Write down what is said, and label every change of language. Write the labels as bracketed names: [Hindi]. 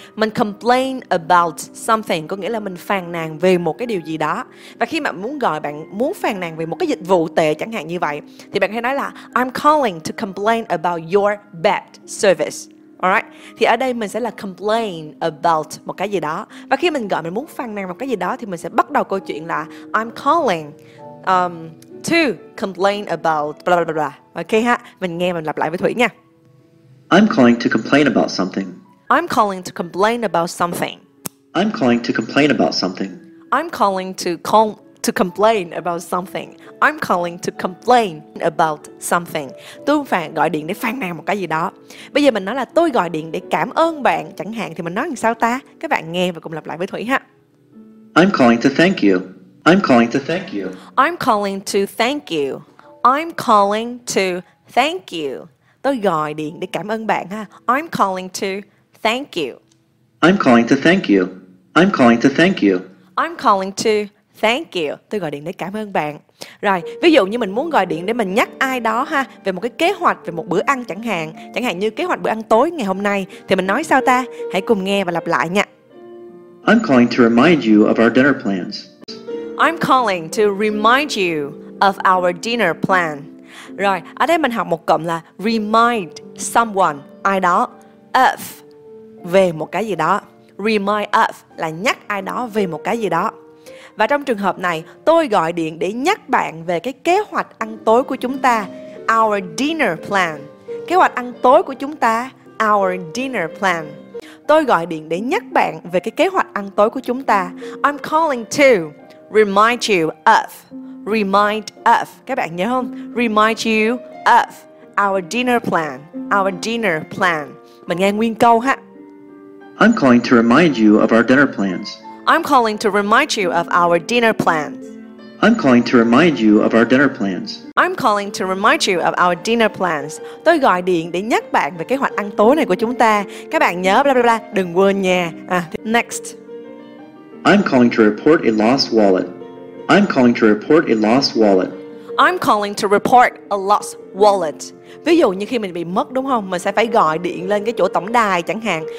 [Vietnamese] Mình complain about something có nghĩa là mình phàn nàn về một cái điều gì đó. Và khi mà muốn gọi bạn muốn phàn nàn về một cái dịch vụ tệ chẳng hạn như vậy thì bạn hay nói là [English] I'm calling to complain about your bad service. Alright? [Vietnamese] Thì ở đây mình sẽ là complain about một cái gì đó. Và khi mình gọi mình muốn phàn nàn một cái gì đó thì mình sẽ bắt đầu câu chuyện là [English] I'm calling to complain about blah blah blah. Okay ha? [Vietnamese] Mình nghe mình lặp lại với Thủy nha. [English] I'm calling to complain about something. I'm calling to complain about something. I'm calling to complain about something. I'm calling to complain about something. I'm calling to complain about something. [Vietnamese] Tôi phải gọi điện để phàn nàn một cái gì đó. Bây giờ mình nói là tôi gọi điện để cảm ơn bạn chẳng hạn thì mình nói làm sao ta? Các bạn nghe và cùng lặp lại với Thủy ha. [English] I'm calling to thank you. I'm calling to thank you. I'm calling to thank you. I'm calling to thank you. [Vietnamese] Tôi gọi điện để cảm ơn bạn ha. [English] I'm calling to thank you. I'm calling to thank you. I'm calling to thank you. I'm calling to thank you. [Vietnamese] Tôi gọi điện để cảm ơn bạn. Rồi, ví dụ như mình muốn gọi điện để mình nhắc ai đó ha về một cái kế hoạch về một bữa ăn chẳng hạn. Chẳng hạn như kế hoạch bữa ăn tối ngày hôm nay thì mình nói sao ta? Hãy cùng nghe và lặp lại nha. [English] I'm calling to remind you of our dinner plans. I'm calling to remind you of our dinner plan. [Vietnamese] Rồi, ở đây mình học một cụm là remind someone, ai đó, of, về một cái gì đó. Remind of là nhắc ai đó về một cái gì đó. Và trong trường hợp này, tôi gọi điện để nhắc bạn về cái kế hoạch ăn tối của chúng ta. Our dinner plan. Kế hoạch ăn tối của chúng ta. [English] Our dinner plan. [Vietnamese] Tôi gọi điện để nhắc bạn về cái kế hoạch ăn tối của chúng ta. [English] I'm calling to remind you of. Remind of. Các bạn nhớ không? Remind you of our dinner plan. Our dinner plan. [Vietnamese] Mình nghe nguyên câu ha. [English] I'm calling to remind you of our dinner plans. I'm calling to remind you of our dinner plans. I'm calling to remind you of our dinner plans. I'm calling to remind you of our dinner plans. [Vietnamese] Tôi gọi điện để nhắc bạn về kế hoạch ăn tối này của chúng ta. Các bạn nhớ bla bla bla, đừng quên nha. [English] Next. I'm calling to report a lost wallet. I'm calling to report a lost wallet. I'm calling to report a lost wallet. [Vietnamese] Ví dụ như khi mình bị mất đúng không? Mình sẽ phải gọi điện lên cái chỗ tổng đài chẳng hạn.